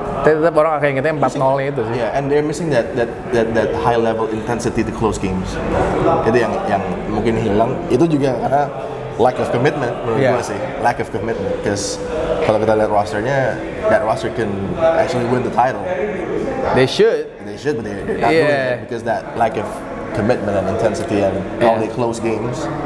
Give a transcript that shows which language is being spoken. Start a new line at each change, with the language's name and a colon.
Indonesian: Tetap orang akan ingetnya 4-0 itu sih.
English: Yeah, and they're missing that high level intensity to close games.
Indonesian: Itu yang mungkin hilang. Itu juga karena
English: lack of commitment
Indonesian: menurut gue sih.
English: Lack of commitment, because
Indonesian: kalau kita lihat rosternya,
English: that roster can actually win the title. They should. They should, but they're not doing it because that lack of commitment and intensity and all the close games.